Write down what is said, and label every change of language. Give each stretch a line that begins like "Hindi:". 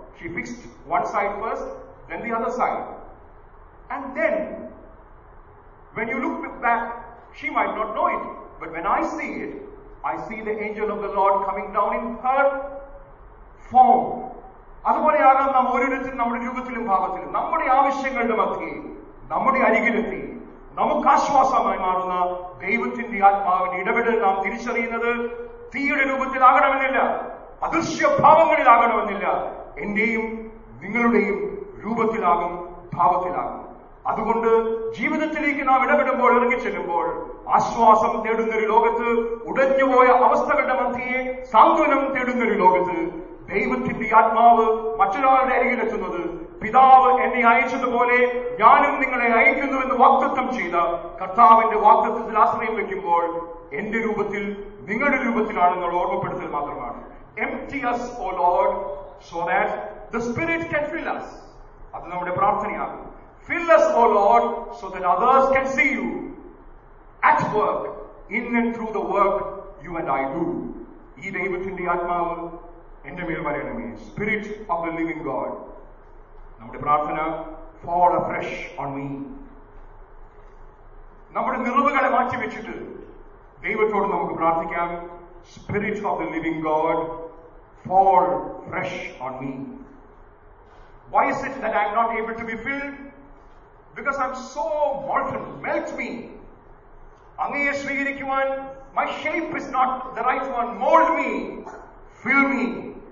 English: She fixed one side first, then the other side. And then, when you look back, she might not know it. But when I see it, I see the angel of the Lord coming down in her form.
Malayalam: അതുപോലെയാകാം നാം ഓരോരുത്തരും നമ്മുടെ രൂപത്തിലും ഭാവത്തിലും നമ്മുടെ ആവശ്യങ്ങളുടെ മധ്യയിൽ നമ്മുടെ അരികിലെത്തി നമുക്ക് ആശ്വാസമായി മാറുന്ന ദൈവത്തിന്റെ ആത്മാവിന്റെ ഇടപെടൽ നാം തിരിച്ചറിയുന്നത് തീയുടെ രൂപത്തിലാകണമെന്നില്ല, അദൃശ്യഭാവങ്ങളിലാകണമെന്നില്ല, എന്റെയും നിങ്ങളുടെയും രൂപത്തിലാകും ഭാവത്തിലാകും. അതുകൊണ്ട് ജീവിതത്തിലേക്ക് നാം ഇടപെടുമ്പോൾ ഇറങ്ങിച്ചെല്ലുമ്പോൾ ആശ്വാസം തേടുന്നൊരു ലോകത്ത്, ഉടഞ്ഞുപോയ അവസ്ഥകളുടെ മധ്യയെ സാന്ത്വനം തേടുന്നൊരു ലോകത്ത് ദൈവത്തിന്റെ ആത്മാവ് മറ്റൊരാളുടെ അരികിലെത്തുന്നത് പിതാവ് എന്നെ അയച്ചതുപോലെ ഞാനും നിങ്ങളെ അയക്കുന്നുവെന്ന് വാഗ്ദത്തം ചെയ്ത കർത്താവിന്റെ വാഗ്ദത്തത്തിൽ ആശ്രയം വയ്ക്കുമ്പോൾ എന്റെ രൂപത്തിൽ നിങ്ങളുടെ രൂപത്തിലാണെന്നുള്ള ഓർമ്മപ്പെടുത്തൽ മാത്രമാണ്.
English: Empty us, O Lord, so that the Spirit can fill us.
Malayalam: അത് നമ്മുടെ പ്രാർത്ഥനയാണ്.
English: Fill us, O Lord, so that others can see you at work, in and through the work you and I do.
Malayalam: ഈ ദൈവത്തിന്റെ ആത്മാവ് എന്റെ മേൽ വരണമേ.
English: Spirit of the living God.
Malayalam: നമ്മുടെ പ്രാർത്ഥന,
English: fall afresh on me.
Malayalam: നമ്മുടെ നിറവുകളെ മാറ്റിവെച്ചിട്ട് ദൈവത്തോട് നമുക്ക് പ്രാർത്ഥിക്കാം.
English: Spirit of the living God, fall fresh on me. Why is it that I am not able to be filled? Because I'm so molten. Melt me.
Malayalam: Angiye swigirikkuvan,
English: my shape is not the right one. Mold me. Fill me.